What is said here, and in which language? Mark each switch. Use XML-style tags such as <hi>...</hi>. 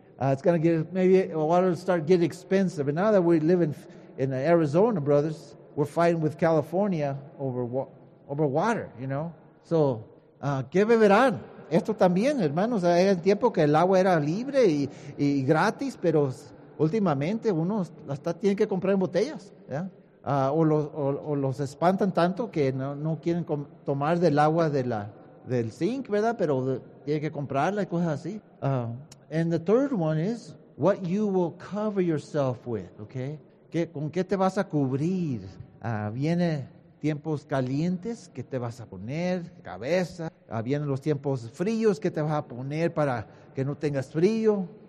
<en>It's going to get, maybe water will start getting expensive. And now that we live in Arizona, brothers, we're fighting with California over water, you know?</en> <es>So, ¿qué beberán? Esto también, hermanos, hay un tiempo que el agua era libre y gratis, pero últimamente uno hasta tiene que comprar en botellas, ¿ya? Los espantan tanto que no quieren tomar del agua del zinc, ¿verdad? Pero tiene que comprarla y cosas así.</es> <en>And the third one is what you will cover yourself with, okay?</en> <es>¿Con qué te vas a cubrir? Viene tiempos calientes, ¿qué te vas a poner? Cabeza. Vienen los tiempos fríos, ¿qué te vas a poner para que no tengas frío?</es>